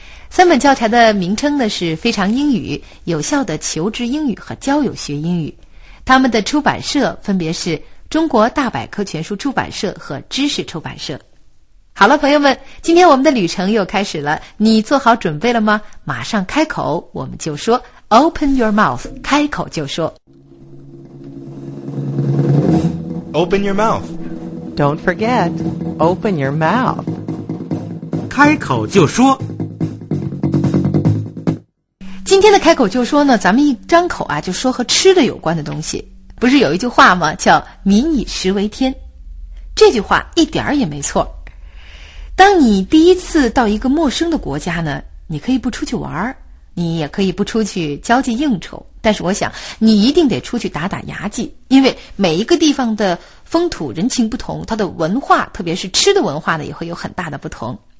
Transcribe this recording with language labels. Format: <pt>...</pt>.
<zh>三本教材的名称呢是非常英语、有效的求职英语和交友学英语，他们的出版社分别是中国大百科全书出版社和知识出版社。好了，朋友们，今天我们的旅程又开始了，你做好准备了吗？马上开口，我们就说</zh> <en>Open your mouth，</en> <zh>开口就说</zh> <en>Open your mouth， Don't forget Open your mouth，</en> <zh>开口就说。今天的开口就说呢，咱们一张口啊就说和吃的有关的东西。不是有一句话吗，叫民以食为天，这句话一点儿也没错。当你第一次到一个陌生的国家呢，你可以不出去玩，你也可以不出去交际应酬，但是我想你一定得出去打打牙祭，因为每一个地方的风土人情不同，它的文化特别是吃的文化呢也会有很大的不同。</zh>